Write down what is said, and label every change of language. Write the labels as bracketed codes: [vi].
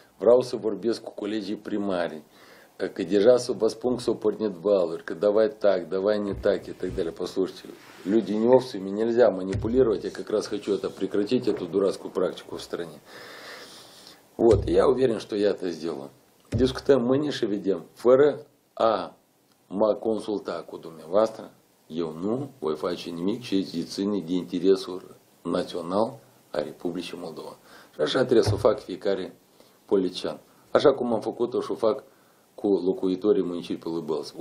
[ro] Vreau să vorbesc cu colegii primari, că deja sub vă spun că s-au pornit valuri, că [ru] давай так, давай не так [ro] и так далее. [ru] Послушайте, люди не овцы, мне нельзя манипулировать, я как раз хочу это прекратить, эту дурацкую практику в стране. Вот, я уверен, что я это сделаю. [ro] Discutăm mâine și vedem. Fără a mă consulta cu dumneavoastră, eu nu voi face nimic ce îi ține de interesul național a Republicii Moldova. Și așa trebuie să o fac fiecare politician. Așa cum am făcut-o și o fac cu locuitorii municipiului Bălți.